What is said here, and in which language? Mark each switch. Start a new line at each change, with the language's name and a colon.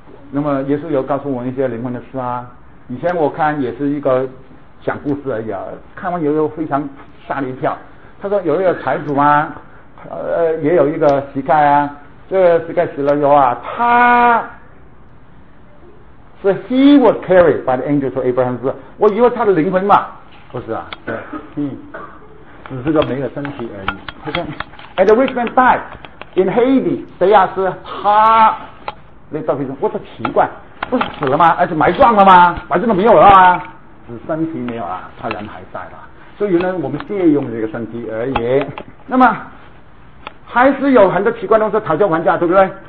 Chinese: 那么耶稣有告诉我一些灵魂的事啊，以前我看也是一个讲故事而已啊，看完以后非常吓了一跳，他说有一个财主嘛，也有一个乞丐啊，这个乞丐死了以后啊，他是
English: he was carried by the angel to Abraham，
Chinese: 我以为他的灵魂嘛，不是啊，对，只是个没有身体而已。
English: And the rich man died in Hades，
Chinese: 谁呀？是他那照片中，我说奇怪，不是死了吗？而且埋葬了吗？埋葬了没有了吗？只身体没有啊，他人还在的，所以呢，我们借用这个身体而已。那么还是有很多奇怪的东西讨价还价，对不对？